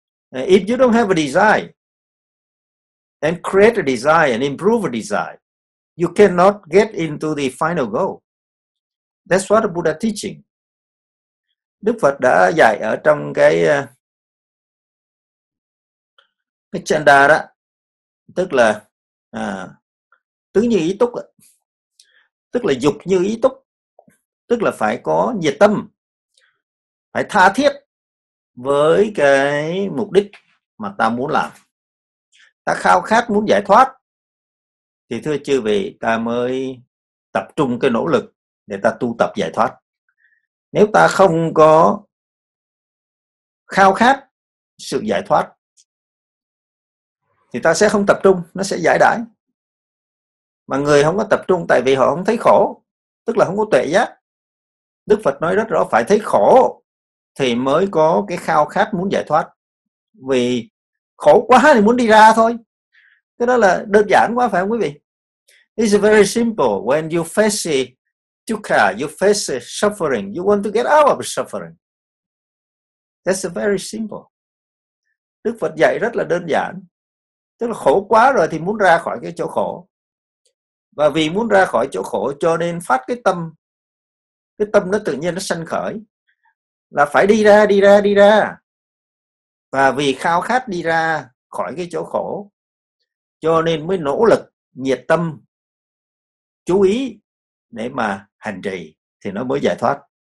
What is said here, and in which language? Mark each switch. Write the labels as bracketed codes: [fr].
[en] If you don't have a desire and create a desire and improve a desire, you cannot get into the final goal. That's what the Buddha teaching. [vi] Đức Phật đã dạy ở trong cái chanda đó, tức là tứ như ý túc, tức là dục như ý túc, tức là phải có nhiệt tâm, phải tha thiết với cái mục đích mà ta muốn làm. Ta khao khát muốn giải thoát thì thưa chư vị, ta mới tập trung cái nỗ lực để ta tu tập giải thoát. Nếu ta không có khao khát sự giải thoát thì ta sẽ không tập trung, nó sẽ giải đãi. Mà người không có tập trung tại vì họ không thấy khổ, tức là không có tuệ giác. Đức Phật nói rất rõ, phải thấy khổ thì mới có cái khao khát muốn giải thoát. Vì khổ quá thì muốn đi ra thôi. Cái đó là đơn giản quá, phải không quý vị? [en] It's very simple. When you face dukkha, you face suffering, you want to get out of suffering. That's very simple. [vi] Đức Phật dạy rất là đơn giản. Tức là khổ quá rồi thì muốn ra khỏi cái chỗ khổ. Và vì muốn ra khỏi chỗ khổ cho nên phát cái tâm. Cái tâm nó tự nhiên nó sanh khởi. Là phải đi ra, đi ra, đi ra. Và vì khao khát đi ra khỏi cái chỗ khổ cho nên mới nỗ lực, nhiệt tâm, chú ý để mà hành trì thì nó mới giải thoát.